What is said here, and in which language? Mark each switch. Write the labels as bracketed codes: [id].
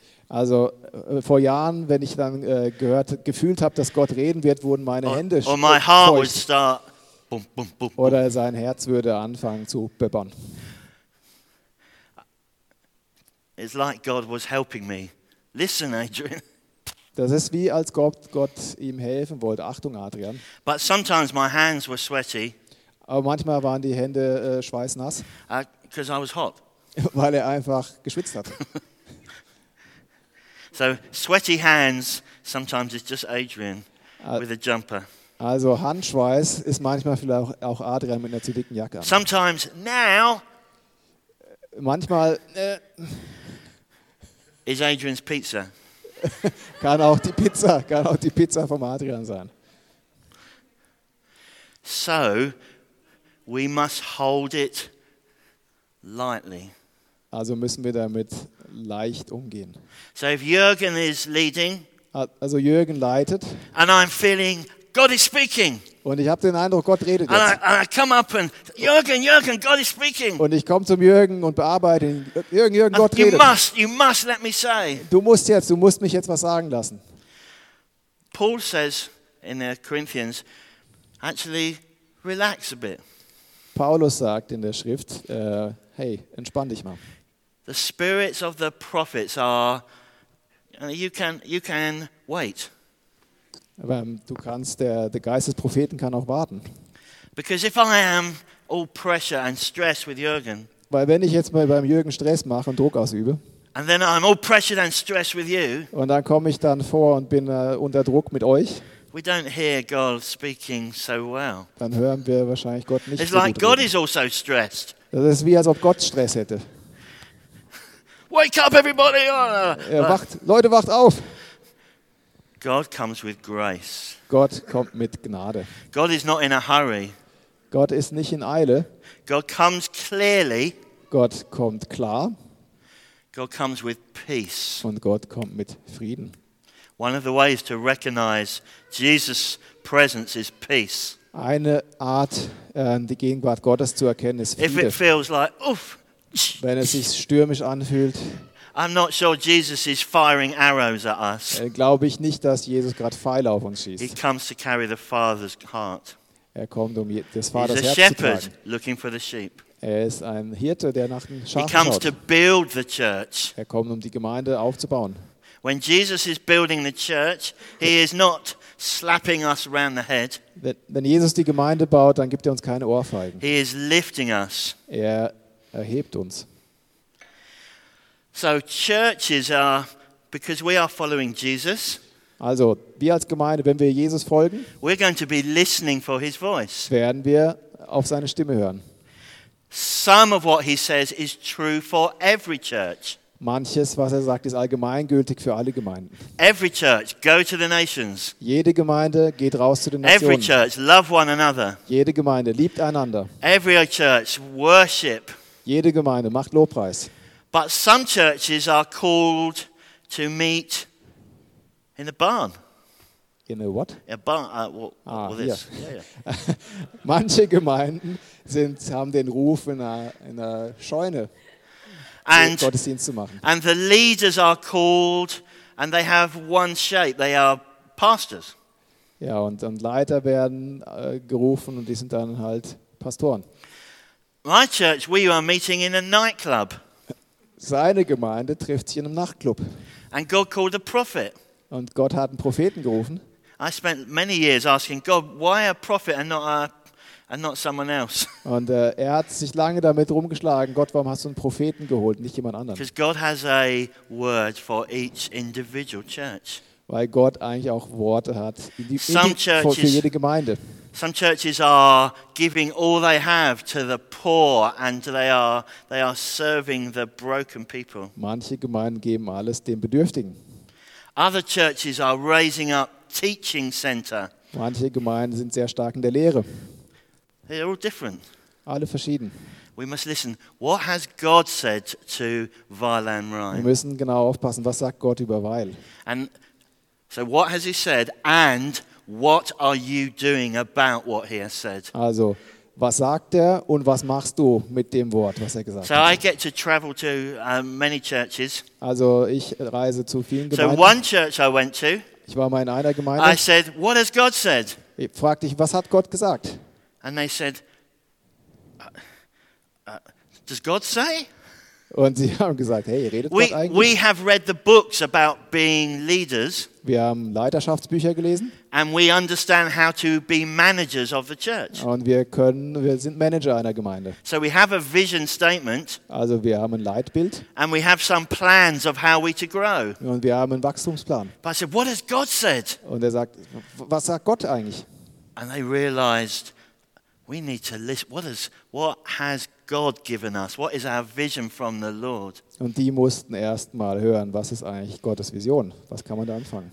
[de] Also vor Jahren, wenn ich dann gefühlt habe, dass Gott reden wird, wurden meine Hände feucht. Oder sein Herz würde anfangen zu bibbern. [en] It's like God was helping me. Listen, Adrian. [de] Das ist wie als Gott ihm helfen wollte. Achtung, Adrian. [en] But sometimes my hands were sweaty. [de] Aber manchmal waren die Hände schweißnass. [en] Because I was hot. [de] Weil er einfach geschwitzt hat. [en] So sweaty hands sometimes it's just Adrian with a jumper. [de] Also Handschweiß ist manchmal vielleicht auch Adrian mit einer zu dicken Jacke. [en] Sometimes now [de] manchmal [en] is Adrian's pizza. [de] kann auch die Pizza vom Adrian sein. [en] So we must hold it lightly. [de] Also müssen wir damit leicht umgehen. [en] So if Jürgen is leading, [de] also Jürgen leitet, [en] and I'm feeling God is speaking. [de] Und ich habe den Eindruck, Gott redet [en] and [de] jetzt. [en] And I come up and Jürgen, God is speaking. [de] Und ich komme zum Jürgen und bearbeite ihn. Jürgen, Gott [en] you [de] redet. [en] You must let me say. [de] Du musst mich jetzt was sagen lassen. [en] Paul says in the Corinthians, actually relax a bit. [de] Paulus sagt in der Schrift, hey, entspann dich mal. [en] The spirits of the prophets are you can wait. [de] Du kannst, der Geist des Propheten kann auch warten. [en] Because if I am all pressure and stress with Jürgen, [de] weil wenn ich jetzt mal beim Jürgen Stress mache und Druck ausübe, [en] and then I'm all pressured and stressed with you, [de] und dann komme ich dann vor und bin unter Druck mit euch, [en] we don't hear God speaking so well. [de] Dann hören wir wahrscheinlich Gott nicht [en] it's so like [de] gut [en] God [de] reden. [en] Is also stressed. [de] Das ist wie, als ob Gott Stress hätte. [en] Wake up, everybody! [de] Leute, wacht auf! [en] God comes with grace. [de] Gott kommt mit Gnade. [en] God is not in a hurry. [de] Gott ist nicht in Eile. [en] God comes clearly. [de] Gott kommt klar. [en] God comes with peace. [de] Und Gott kommt mit Frieden. [en] One of the ways to recognize Jesus' presence is peace. [de] Eine Art, die Gegenwart Gottes zu erkennen, ist Friede. [en] If it feels like, oof. [de] Wenn es sich stürmisch anfühlt. [en] I'm not sure Jesus is firing arrows at us. [de] Glaube ich nicht, dass Jesus gerade Pfeile auf uns schießt. [en] He comes to carry the Father's heart. [de] Er kommt, um das Vaters Herz zu tragen. [en] He's a shepherd looking for the sheep. [de] Er ist ein Hirte, der nach den Schafen [en] he comes [de] schaut. [en] To build the church. [de] Er kommt, um die Gemeinde aufzubauen. [en] When Jesus is building the church, he is not slapping us around the head. [de] Wenn Jesus die Gemeinde baut, dann gibt er uns keine Ohrfeigen. [en] He is lifting us. [de] Er erhebt uns. [en] So churches are because we are following Jesus. [de] Also, wir als Gemeinde, wenn wir Jesus folgen, [en] we're going to be listening for his voice. [de] Werden wir auf seine Stimme hören. [en] Some of what he says is true for every church. [de] Manches, was er sagt, ist allgemeingültig für alle Gemeinden. [en] Every church, go to the nations. [de] Jede Gemeinde geht raus zu den Nationen. [en] Every church, love one another. [de] Jede Gemeinde liebt einander. [en] Every church, worship. [de] Jede Gemeinde macht Lobpreis. [en] But some churches are called to meet in a barn. In a what? A barn. What ah, this. Yeah. [de] Manche Gemeinden haben den Ruf, in einer Scheune Gottesdienst zu machen. [en] And the leaders are called, and they have one shape. They are pastors. [de] Ja, und Leiter werden gerufen, und die sind dann halt Pastoren. [en] My church, we are meeting in a nightclub. [de] Seine Gemeinde trifft sich in einem Nachtclub. [en] And God called a prophet. [de] Und Gott hat einen Propheten gerufen. [en] I spent many years asking God, why a prophet and not someone else? [de] Und er hat sich lange damit rumgeschlagen. Gott, warum hast du einen Propheten geholt, nicht jemand anderen? [en] Because God has a word for each individual church. [de] Weil Gott eigentlich auch Worte hat für jede Gemeinde. [en] Some churches are giving all they have to the poor, and they are serving the broken people. [de] Manche Gemeinden geben alles den Bedürftigen. [en] Other churches are raising up teaching center. [de] Manche Gemeinden sind sehr stark in der Lehre. [en] They're all different. [de] Alle verschieden. [en] We must listen. What has God said to Vaerland Rhein? [de] Wir müssen genau aufpassen, was sagt Gott über Weil. [en] And so, what has He said? And what are you doing about what he has said? [de] Also, was sagt er und was machst du mit dem Wort, was er gesagt [en] so [de] hat? [en] So I get to travel to many churches. [de] Also, ich reise zu vielen Gemeinden. [en] So one church I went to. [de] Ich war mal in einer Gemeinde. [en] I said, what has God said? [de] Ich fragte dich, was hat Gott gesagt? [en] And they said, does God say? [de] Und sie haben gesagt, hey, redet [en] we, [de] Gott eigentlich? [en] We have read the books about being leaders. [de] Wir haben Leiterschaftsbücher gelesen. [en] And we understand how to be managers of the church. [de] Und wir sind Manager einer Gemeinde. [en] So we have a vision statement. [de] Also wir haben ein Leitbild. [en] And we have some plans of how we to grow. [de] Und wir haben einen Wachstumsplan. [en] But I said, what has God said? [de] Und er sagt, was sagt Gott eigentlich? [en] And they realized we need to listen. What has God given us? What is our vision from the Lord? [de] Und die mussten erst mal hören, was ist eigentlich Gottes Vision? Was kann man da anfangen?